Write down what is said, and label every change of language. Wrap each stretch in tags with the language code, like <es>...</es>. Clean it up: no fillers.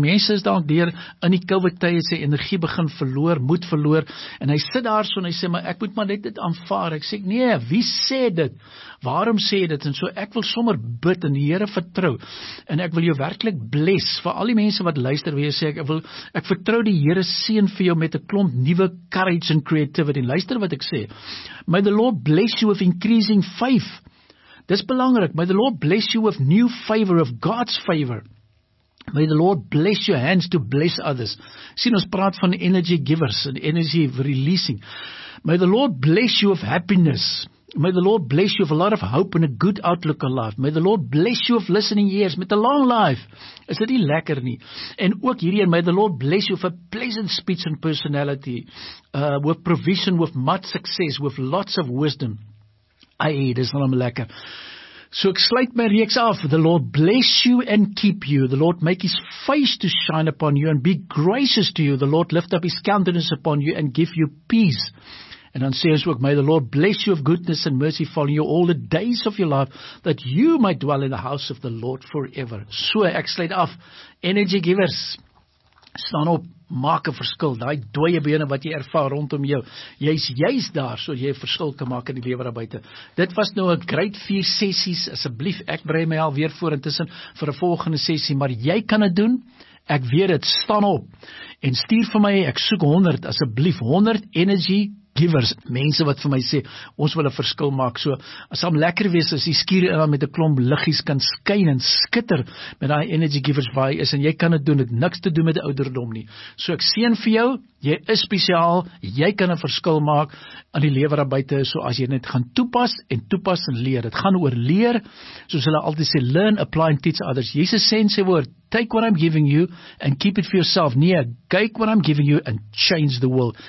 <af>Mense is dalk deur in die COVID tye sy energie begin verloor, moed verloor en hy sit daar so en hy sê maar ek moet maar net dit aanvaar. Ek sê nee, wie sê dit? Waarom sê jy dit? En so ek wil sommer bid en die Here vertrou. En ek wil jou werklik bless vir al die mense wat luister, wie sê ek vertrou die Here seën vir jou met 'n klomp nuwe</af> <en>courage and creativity.</en> <af>Luister wat ek sê.</af> <en>May the Lord bless you with increasing faith.</en> <af>Dis belangrik.</af> <en>May the Lord bless you with new favor of God's favor. May the Lord bless your hands to bless others.</en> <af>Sien, ons praat van</af> <en>energy givers and energy releasing. May the Lord bless you with happiness. May the Lord bless you with a lot of hope and a good outlook on life. May the Lord bless you with listening ears, met a long life.</en> <af>Is dit nie lekker nie? En ook hierdie,</af> <en>may the Lord bless you with a pleasant speech and personality, with provision, with much success, with lots of wisdom.</en> <af>Ai, dis nou lekker. So ek sluit my reeks af.</af> <en>The Lord bless you and keep you. The Lord make his face to shine upon you and be gracious to you. The Lord lift up his countenance upon you and give you peace.</en> <af>En dan sê ons ook,</af> <en>may the Lord bless you of goodness and mercy following you all the days of your life, that you might dwell in the house of the Lord forever.</en> <af>So ek sluit af. Energy givers, staan op. Maak 'n verskil, daai dooie bene wat jy ervaar rondom jou. Jy's daar, so jy 'n verskil kan maak in die lewe daar buite. Dit was nou 'n great 4 sessies, asseblief. Ek brei my al weer voor intussen vir 'n volgende sessie, maar jy kan dit doen. Ek weet dit, staan op en stuur vir my, ek soek 100, asseblief, 100 energy givers, mense wat vir my sê, ons wil 'n verskil maak. So, sal lekker wees as die skuur in met 'n klomp liggies kan skyn en skitter met daai energy givers by is en jy kan dit doen, dit niks te doen met ouderdom nie. So ek seën vir jou, jy is spesiaal, jy kan 'n verskil maak aan die lewe daar buite, so as jy net gaan toepas en toepas en leer. Dit gaan oor leer, soos hulle altyd sê,</af> <en>learn, apply and teach others.</en> <af>Jesus sê in sy woord,</af> <en>Take what I'm giving you and keep it for yourself.</en> <af>Nee, kyk</af> <en>what I'm giving you and change the world.</en>